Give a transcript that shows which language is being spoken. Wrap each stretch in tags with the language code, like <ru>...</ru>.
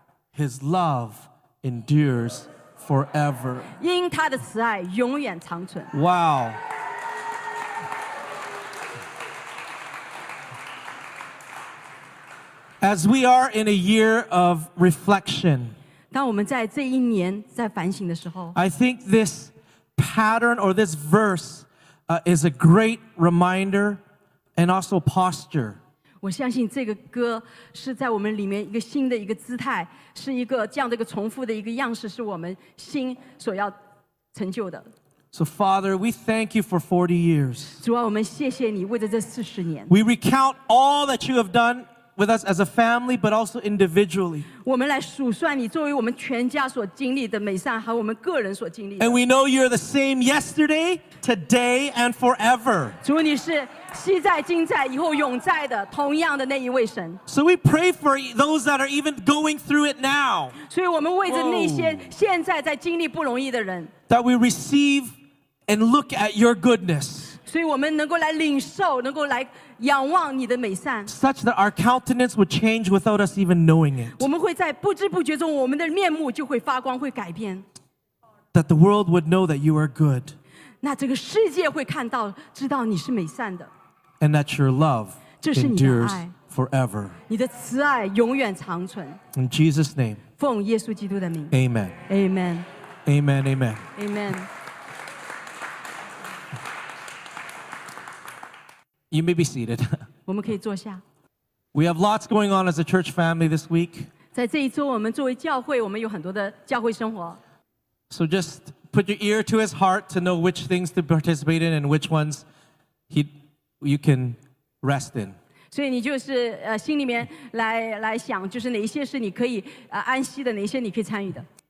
<en>His love endures forever. Forever.</en> <zh>因他的慈爱永远长存。</zh> <en>Wow. As we are in a year of reflection,</en> <zh>当我们在这一年在反省的时候,</zh> <en>I think this pattern or this verse is a great reminder and also posture.</en> <zh>我相信这个歌是在我们里面一个新的一个姿态，是一个这样的一个重复的一个样式，是我们心所要成就的。</zh> <en>So Father, we thank you for 40 years.</en> <zh>主啊，我们谢谢你为着这40年。</zh> <en>We recount all that you have done with us as a family, but also individually.</en> <zh>我们来数算你作为我们全家所经历的美善，还有我们个人所经历的。</zh> <en>And we know you're the same yesterday, today, and forever.</en> <zh>主，你是昔在、今在、以后永在的同样的那一位神。</zh> <en>So we pray for those that are even going through it now.</en> <zh>所以我们为着那些现在在经历不容易的人。</zh> <en>That we receive and look at your goodness.</en> <zh>所以我们能够来领受，能够来</zh> <en>such that our countenance would change without us even knowing it.</en> <zh>我们会在不知不觉中, 我们的面目就会发光,</zh> <en>that the world would know that you are good.</en> <zh>那这个世界会看到,</zh> <en>and that your love endures forever. In Jesus' name.</en> <zh>奉耶稣基督的名,</zh> <en>amen. Amen. Amen. Amen. Amen. You may be seated. We have lots going on as a church family this week. So just put your ear to his heart to know which things to participate in and which ones you can rest in.</en> <zh>所以你就是, 心里面来想, 就是哪些是你可以, 安息的, 哪些你可以参与的。</zh>